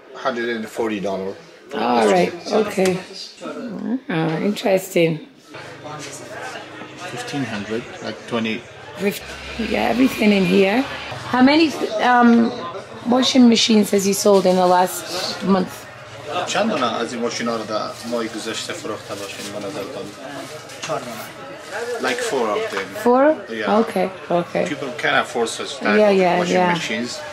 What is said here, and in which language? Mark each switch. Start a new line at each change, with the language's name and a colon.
English: $140. All right. Okay. Oh, interesting. 1500, like 20. Yeah, everything in here. How many washing machines has you sold in the last month?
Persian: چند تا از این ماشینا رو در ماه گذشته فروخته باشین به نظر تان؟
English: 4 Like 4 of them. 4? Yeah. Okay. People can afford such type of washing machines.